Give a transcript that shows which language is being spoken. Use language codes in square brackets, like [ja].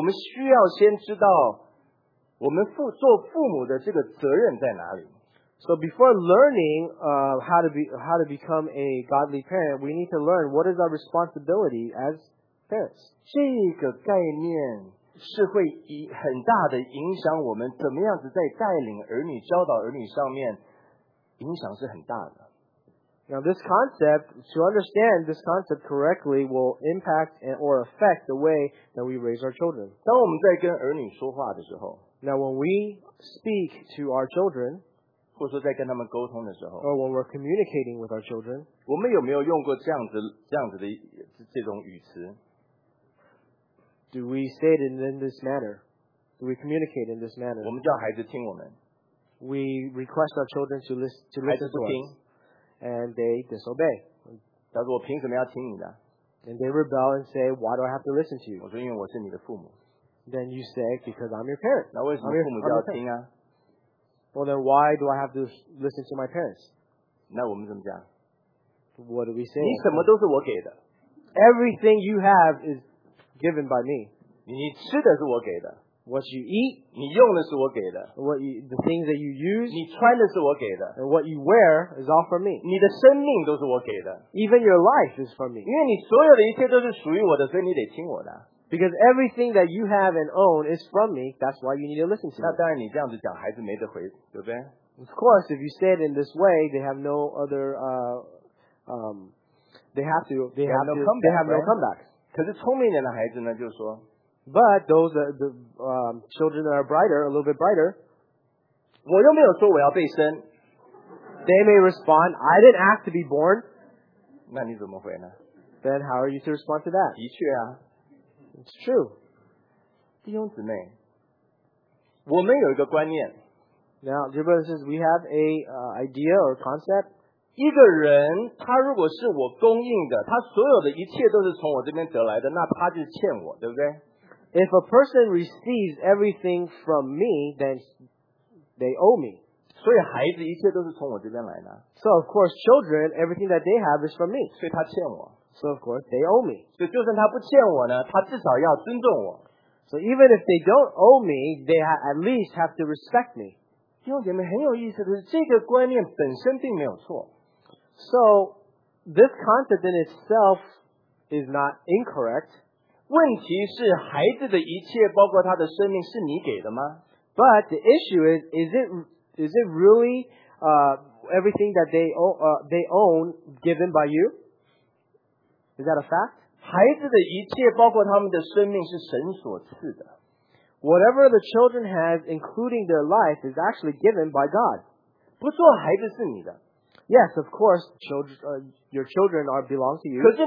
[zh] 在我们要去学怎么样做父母之前，我们需要先知道。我们做父母的这个责任在哪里? [en] So before learning how to become a godly parent, we need to learn what is our responsibility as parents. [zh] 这个概念是会很大的影响我们怎么样子在带领儿女、教导儿女上面影响是很大的。 [en] Now this concept, to understand this concept correctly, will impact or affect the way that we raise our children. [zh] 当我们在跟儿女说话的时候, [en] Now when we speak to our children, [zh] 或者说在跟他们沟通的时候, [en] or when we're communicating with our children, [zh] 我们有没有用过这样子的这种语词? [en] Do we say it in this manner? Do we communicate in this manner? [zh] 我们叫孩子听我们。 [en] We request our children to listen to us. And they disobey. [zh] 但是我凭什么要听你的? [en] And they rebel and say, why do I have to listen to you? [zh] 我说因为我是你的父母。 [en] Then you say, because I'm your parent. [zh] 那为什么父母就要听啊? [en] Well, then why do I have to listen to my parents? [zh] 那我们怎么讲? [en] What do we say? [zh] 你什么都是我给的。 [en] Everything you have is given by me. [zh] 你吃的是我给的。 [en] What you eat. [zh] 你用的是我给的。 [en] The things that you use. [zh] 你穿的是我给的。 [en] And what you wear is all from me. [zh] 你的生命都是我给的。 [en] Even your life is from me. [zh] 因为你所有的一切都是属于我的，所以你得听我的。 [en] Because everything that you have and own is from me, that's why you need to listen to me. [zh] 那当然你这样子讲，孩子没得回，对不对？ [en] Of course, if you say it in this way, they have no other, they have no comeback. [zh] 可是聪明点的孩子呢，就说， [en] But those children that are brighter, a little bit brighter, [zh] 我又没有说我要被生， [en] They may respond, I didn't ask to be born. [zh] 那你怎么回呢？ [en] Then how are you to respond to that? [zh] 的确啊。 [en] It's true. [zh] 弟兄姊妹, 我们有一个观念, [en] now, dear brothers and sisters, we have an idea or concept. [zh] 一个人,他如果是我供应的, 他所有的一切都是从我这边得来的, 那他就欠我, 对不对? [en] If a person receives everything from me, then they owe me. So of course, children, everything that they have is from me. So of course, they owe me. [zh] 所以就算他不欠我呢，他至少要尊重我。 [en] So even if they don't owe me, they at least have to respect me. [zh] 弟兄姐妹，很有意思的是，这个观念本身并没有错。 [en] So this concept in itself is not incorrect. [zh] 问题是孩子的一切，包括他的生命，是你给的吗？ [en] But the issue is it really everything that they own given by you? Is that a fact? [zh] 孩子的一切包括他们的生命是神所赐的。 [en] Whatever the children have, including their life, is actually given by God. [zh] 不说孩子是你的。 [en] Yes, of course, your children are belong to you.